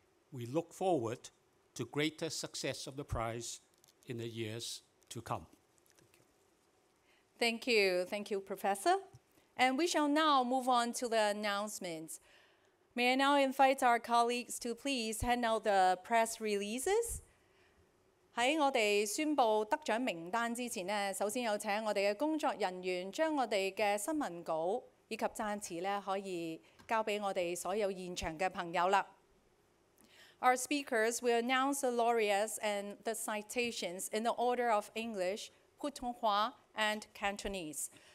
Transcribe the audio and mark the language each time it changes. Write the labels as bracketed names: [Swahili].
[English] We look forward to greater success of the prize in the years to come. Thank you. Thank you. Thank you, Professor. And we shall now move on to the announcements. May I now invite our colleagues to please hand out the press releases? [Chinese] 在我們宣布得獎名單之前,首先有請我們的工作人員將我們的新聞稿以及讚詞可以交給我們所有現場的朋友了。 [English] Our speakers will announce the laureates and the citations in the order of English, Putonghua, and Cantonese.